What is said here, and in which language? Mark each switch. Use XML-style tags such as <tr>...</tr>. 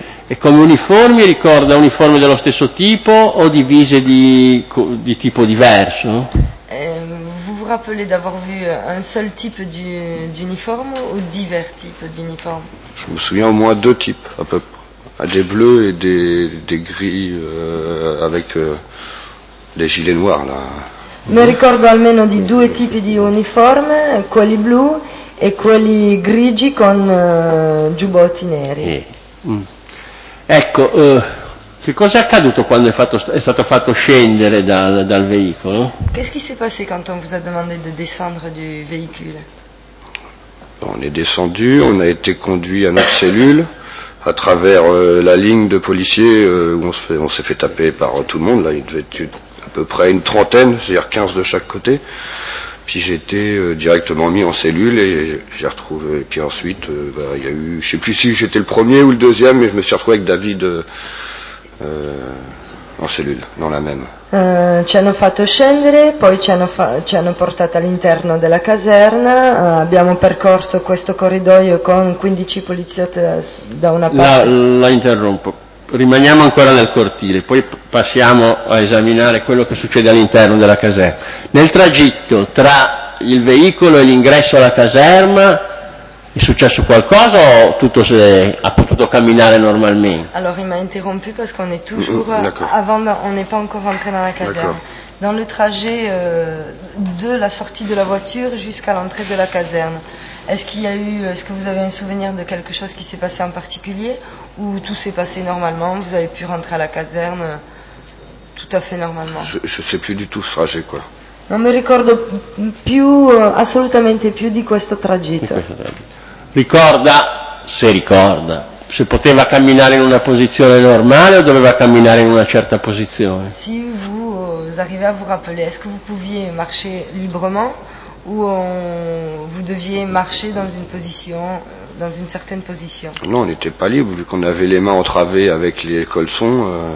<it>E come uniformi ricorda uniformi dello stesso tipo o divise di tipo diverso?</it> <fr>Vous vous rappelez d'avoir vu un seul type d'uniforme ou divers types d'uniformes? Je me souviens au moins deux types, à peu près. Des bleus et des gris avec des gilets noirs, là.</fr> <it>Mi ricordo almeno di due tipi di uniforme, quelli blu e quelli grigi con giubbotti neri. Ecco, che cosa è accaduto quando è stato fatto scendere dal veicolo?</it> <fr>Qu'est-ce qui s'est passé quand on vous a demandé de descendre du véhicule? On est descendu, on a été conduit à notre cellule, à travers la ligne de policiers où on s'est fait taper par tout le monde. Là, il devait être à peu près une trentaine, c'est-à-dire 15 de chaque côté. Puis j'ai été directement mis en cellule et j'ai retrouvé. Et puis ensuite, il y a eu, je sais plus si j'étais le premier ou le deuxième, mais je me suis retrouvé avec David en cellule, dans la même.</fr> <it>Ci hanno fatto scendere, poi ci hanno portato all'interno della caserna, abbiamo percorso questo corridoio con 15 poliziotti da una parte. La interrompo, rimaniamo ancora nel cortile, poi passiamo a esaminare quello che succede all'interno della caserma. Nel tragitto tra il veicolo e l'ingresso alla caserma, è successo qualcosa o tutto ha potuto camminare normalmente?</it> <fr>Allora, il m'ha interrompu parce qu'on est toujours avant, on n'est pas encore entré dans la caserne. Dans le trajet de la sortie de la voiture jusqu'à l'entrée de la caserne. Est-ce que vous avez un souvenir de quelque chose qui s'est passé en particulier ou tout s'est passé normalement, vous avez pu rentrer à la caserne tout à fait normalement? Je sais plus du tout ce trajet quoi.</fr> <it>Non mi ricordo più, assolutamente più di questo tragitto. Ricorda, se ricorda, se poteva camminare in una posizione normale o doveva camminare in una certa posizione?</it> <fr>Si vous arrivez à vous rappeler, est-ce que vous pouviez marcher librement ou vous deviez marcher dans une certaine position? Non, on n'était pas libre vu qu'on avait les mains entravées avec les colsons.</fr>